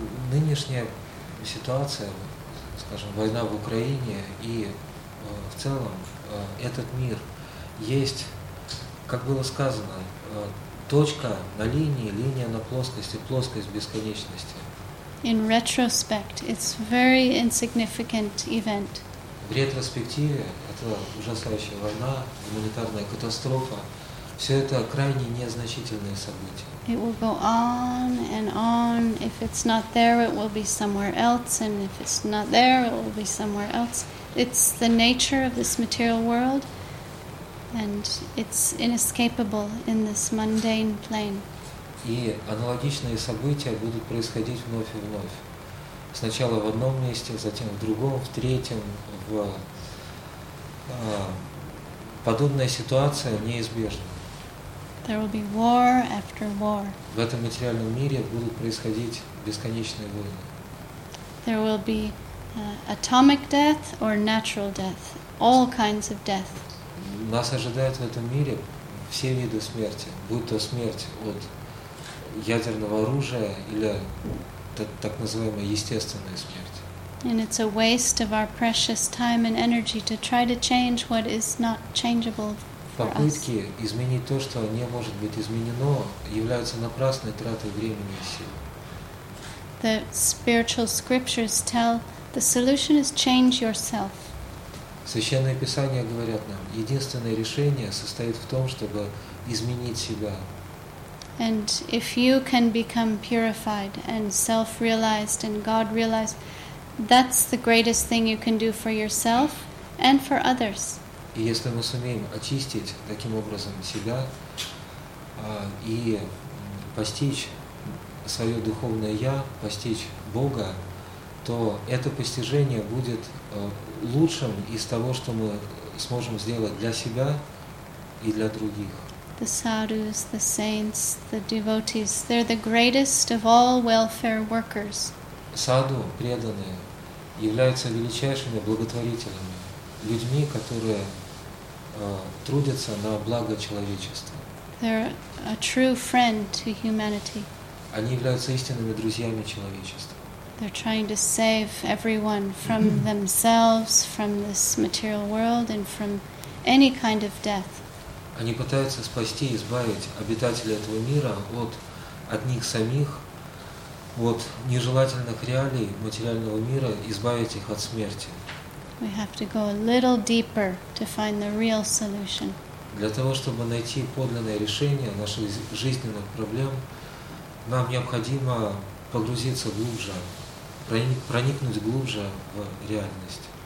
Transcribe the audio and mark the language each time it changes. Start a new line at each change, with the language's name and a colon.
Russian: Нынешняя ситуация, скажем, война в Украине и в целом этот мир есть, как было сказано, точка на линии, линия на плоскости, плоскость бесконечности.
English: In retrospect, it's very insignificant event.
Russian: В ретроспективе это ужасающая война, гуманитарная катастрофа. Все это крайне незначительные события.
English: It will go on and on. If it's not there, it will be somewhere else. And if it's not there, it will be somewhere else. It's the nature of this material world, and it's inescapable in this mundane plane.
Russian: И аналогичные события будут происходить вновь и вновь. Сначала в одном месте, затем в другом, в третьем, в подобная ситуация неизбежна.
English: There will be war after war.
Russian: В этом материальном мире будут происходить бесконечные войны.
English: There will be atomic death or natural death, all kinds of death.
Russian: Нас ожидают в этом мире все виды смерти, будь то смерть от ядерного оружия или так называемая естественная смерть.
English: And it's a waste of our precious time and energy to try to change what is not changeable for us.
Russian: Попытки изменить то, что не может быть изменено, являются напрасной тратой времени и сил.
English: The spiritual scriptures tell the solution is change yourself.
Russian: Священные писания говорят нам, единственное решение состоит в том, чтобы изменить себя.
English: And if you can become purified and self-realized and God-realized, that's the greatest thing you can do for yourself and for others.
Russian: И если мы сумеем очистить таким образом себя и постичь свое духовное «я», постичь Бога, то это постижение будет лучшим из того, что мы сможем сделать для себя и для других.
English: The sadhus, the saints, the devotees, they're the greatest of all welfare workers.
Russian: Саду, преданные, являются величайшими благотворителями, людьми, которые трудятся на благо человечества.
English: They're a true friend to humanity.
Russian: Они являются истинными друзьями человечества.
English: They're trying to save everyone from themselves, from this material world, and from any kind of death.
Russian: Они пытаются спасти и избавить обитателей этого мира от них самих, от нежелательных реалий материального мира, избавить их от смерти.
English: We have to go a little deeper to find the real solution.
Russian: Для того, чтобы найти подлинное решение наших жизненных проблем, нам необходимо погрузиться глубже, проникнуть глубже в реальность.